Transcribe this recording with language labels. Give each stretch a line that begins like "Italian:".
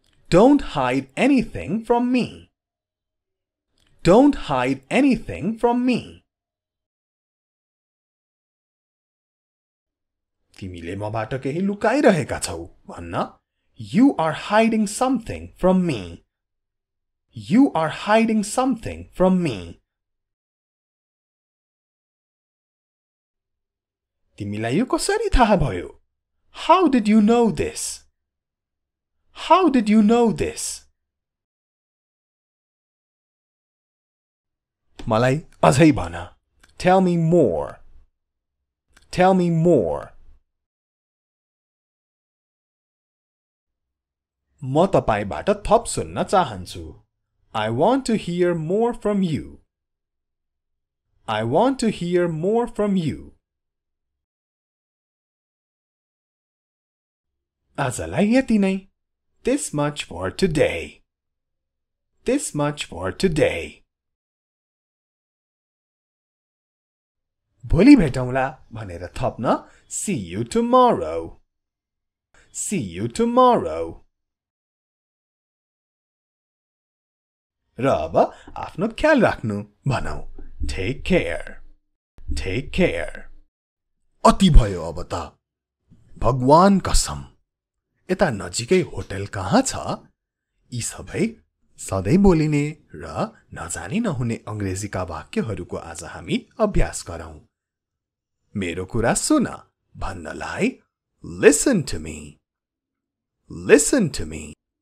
English: Don't hide anything from me. Don't hide anything from me.
Nepali: तिमीले मबाट केही लुकाइरहेका छौ. भन्न?
English: You are hiding something from me. You are hiding something from me.
Nepali: तिमीलाई यो कसरी थाहा भयो?
English: How did you know this? How did you know this?
Nepali: मलाई अझै भन.
English: Tell me more. Tell me more.
Nepali: म तपाईँबाट थप सुन्न चाहन्छु.
English: I want to hear more from you. I want to hear more from you.
Nepali: आजलाई यति नै.
English: This much for today. This much for today.
Nepali: भोलि भेटौँला भनेर थप्न.
English: See you tomorrow. See you tomorrow.
Nepali: र अब आफ्नो ख्याल राख्नु भनौ.
English: Take care. Take care.
Nepali: अति भयो अब त. भगवान कसम, यता नजिकै होटल कहाँ छ? यी सबै सधैँ बोलिने र नजानी नहुने अङ्ग्रेजीका वाक्यहरूको आज हामी अभ्यास गरौं. मेरो कुरा सुन भन्नलाई
English: Listen to me. Listen to me.